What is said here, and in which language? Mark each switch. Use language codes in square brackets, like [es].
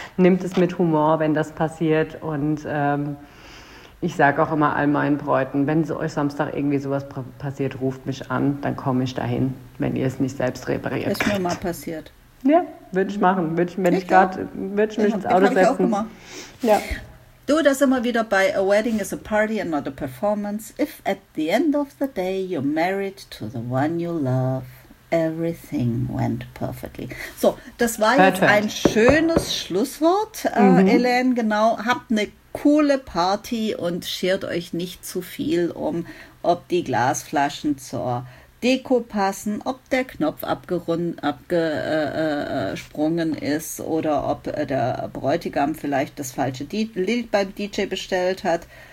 [de] Nehmt es mit Humor, wenn das passiert. Und ich sage auch immer all meinen Bräuten, wenn so euch Samstag irgendwie sowas passiert, ruft mich an, dann komme ich dahin, wenn ihr es nicht selbst repariert. Ist mir mal passiert. Ja, würde ich machen. Würde ich mich ins Auto setzen. Das habe ich auch gemacht. Ja. Du, da sind wir wieder bei [en] A Wedding is a Party and not a Performance. If at the end of the day you're married to the one you love, everything went perfectly. [de] So, das war jetzt ein schönes Schlusswort, Hélène. Genau. Habt eine coole Party und schert euch nicht zu viel um, ob die Glasflaschen zur Deko passen, ob der Knopf abgesprungen ist oder ob der Bräutigam vielleicht das falsche Lied beim DJ bestellt hat.